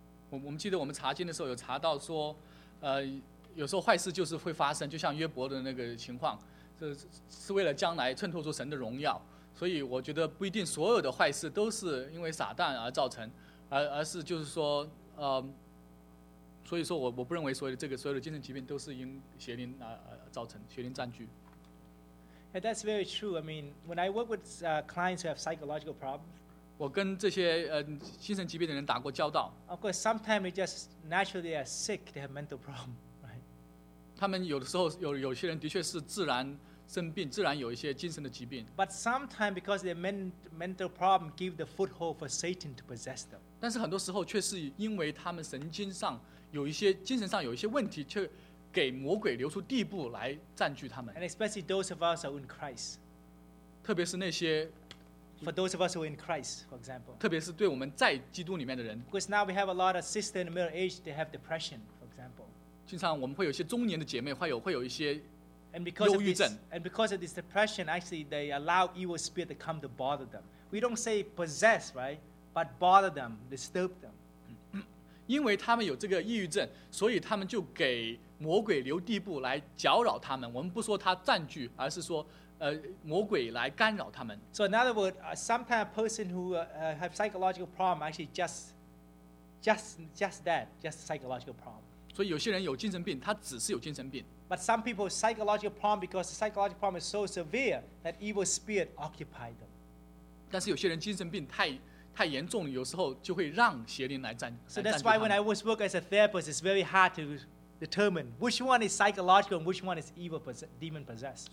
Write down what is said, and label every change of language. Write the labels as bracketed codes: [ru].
[zh] 我们记得我们查经的时候有查到说，有时候坏事就是会发生，就像约伯的那个情况，是为了将来衬托出神的荣耀。所以我觉得不一定所有的坏事都是因为撒旦而造成，而是就是说，所以说我不认为所有的精神疾病都是因邪灵造成，邪灵占据。 [en] Yeah, that's very true. I mean, when I work with clients who have psychological problems. [zh] 我跟这些精神疾病的人打过交道。 [en] Of course, sometimes they just naturally are sick. They have mental problem, right? [zh] 他们有的时候有些人的确是自然生病，自然有一些精神的疾病。 [en] But sometimes because their mental problem give the foothold for Satan to possess them. [zh] 但是很多时候却是因为他们神经上有一些精神上有一些问题，却给魔鬼留出地步来占据他们。 [en] And especially those of us who are in Christ. [zh] 特别是那些。 [en] For those of us who are in Christ, for example. [zh] 特别是对我们在基督里面的人。 [en] Because now we have a lot of sisters in the middle age, they have depression, for example. [zh] 经常我们会有一些中年的姐妹会有一些忧郁症。 [en] And because of this depression, actually they allow evil spirit to come to bother them. We don't say possess, right? But bother them, disturb them. [zh] 因为他们有这个抑郁症，所以他们就给魔鬼留地步来搅扰他们。我们不说他占据，而是说魔鬼来干扰他们。 [en] So in other words, sometimes a person who have psychological problem actually just psychological problem. [zh] 所以有些人有精神病，他只是有精神病。 [en] But some people psychological problem because the psychological problem is so severe that evil spirit occupy them. [zh] 但是有些人精神病太严重，有时候就会让邪灵来占。 [en] So that's why when I was work as a therapist, it's very hard to determine which one is psychological and which one is evil demon possessed.